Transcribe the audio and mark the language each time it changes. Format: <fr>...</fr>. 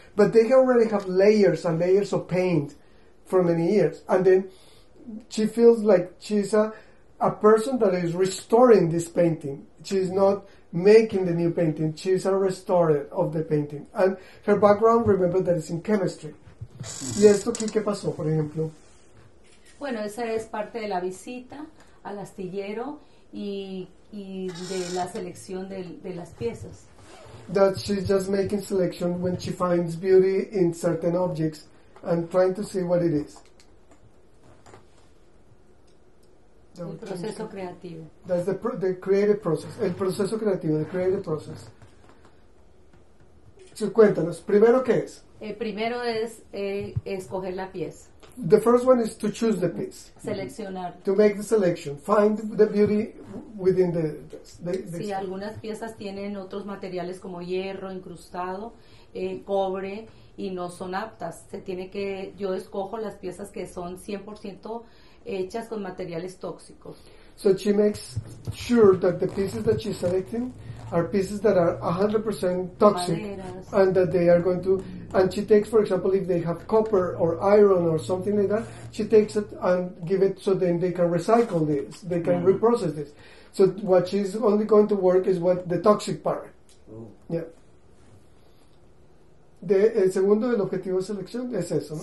<en>But they already have layers and layers of paint for many years. And then she feels like she's a person that is restoring this painting. She's not making the new painting. She's a restorer of the painting. And her background, remember, that is in chemistry.</en> <es>¿Y esto qué pasó, por ejemplo? Bueno, esa es parte de la visita al astillero y de la selección de las piezas.</es> <en>That she's just making selection when she finds beauty in certain objects and trying to see what it is. That's the creative process.</en> <es>El proceso creativo,</es> <en>the creative process.</en> <es>So, cuéntanos, primero qué es? El primero es escoger la pieza.</es> <en>The first one is to choose the piece.</en> <es>Seleccionar.</es> <en>To make the selection. Find the beauty within the</en> <es>sí, algunas piezas tienen otros materiales como hierro, incrustado, cobre, y no son aptas. Yo escojo las piezas que son 100% hechas con materiales tóxicos.</es> <en>So she makes sure that the pieces that she's selecting are pieces that are 100% toxic.</en> <es>Maderas.</es> <en>And that they are going to... And she takes, for example, if they have copper or iron or something like that, she takes it and give it so then they can recycle this, they can mm-hmm. reprocess this. So what she's only going to work is what the toxic part. Ooh. Yeah.</en> <es>El segundo, el objetivo de selección es eso, ¿no?</es>